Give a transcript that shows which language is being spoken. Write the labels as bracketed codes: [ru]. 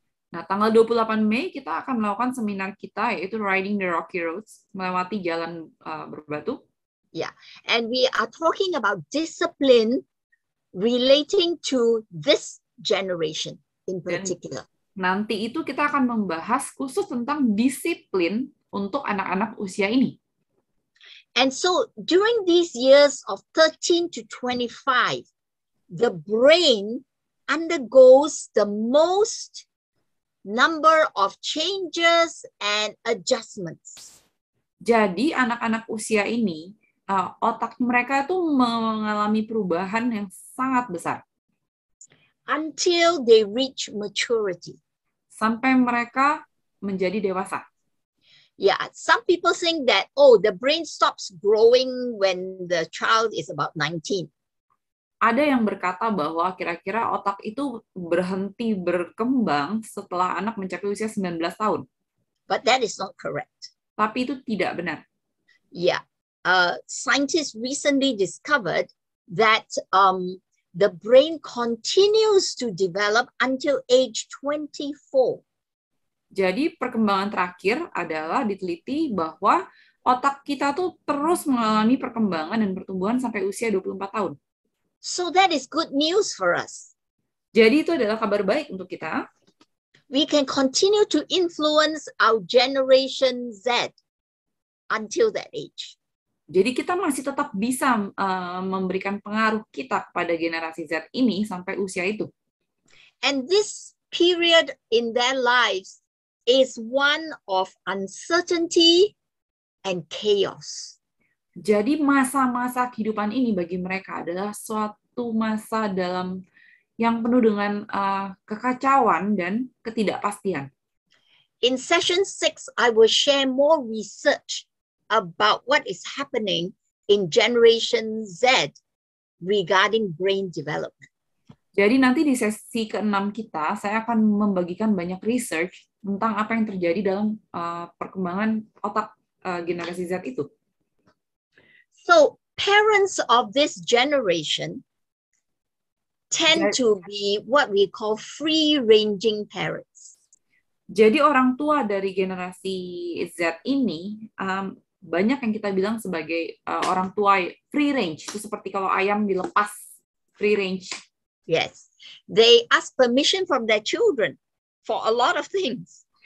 [id] Nah, tanggal 28 Mei kita akan melakukan seminar kita yaitu Riding the Rocky Road, melewati jalan berbatu. [en] Yeah, and we are talking about discipline relating to this generation in particular. [id] Dan nanti itu kita akan membahas khusus tentang disiplin untuk anak-anak usia ini. [en] And so during these years of 13 to 25, the brain undergoes the most number of changes and adjustments. [id] Jadi anak-anak usia ini otak mereka itu mengalami perubahan yang sangat besar. [en] Until they reach maturity. [id] Sampai mereka menjadi dewasa. [en] Yeah, some people think that oh the brain stops growing when the child is about 19. [id] Ada yang berkata bahwa kira-kira otak itu berhenti berkembang setelah anak mencapai usia 19 tahun. [en] But that is not correct. [id] Tapi itu tidak benar. [en] Yeah. Scientists recently discovered that the brain continues to develop until age 24. [id] Jadi perkembangan terakhir adalah diteliti bahwa otak kita tuh terus mengalami perkembangan dan pertumbuhan sampai usia 24 tahun. [en] So that is good news for us. [id] Jadi itu adalah kabar baik untuk kita. [en] We can continue to influence our Generation Z until that age. [id] Jadi kita masih tetap bisa memberikan pengaruh kita pada generasi Z ini sampai usia itu. [en] And this period in their lives is one of uncertainty and chaos. [id] Jadi masa-masa kehidupan ini bagi mereka adalah suatu masa dalam yang penuh dengan kekacauan dan ketidakpastian. [en] In session 6, I will share more research about what is happening in Generation Z regarding brain development. [id] Jadi nanti di sesi ke-6 kita, saya akan membagikan banyak research tentang apa yang terjadi dalam perkembangan otak generasi Z itu. [en] So, parents of this generation tend to be what we call free-ranging parents. [id] Jadi orang tua dari generasi Z ini banyak yang kita bilang sebagai orang tua free-range. Itu seperti kalau ayam dilepas, free-range. [en] Yes, they ask permission from their children for a lot of things.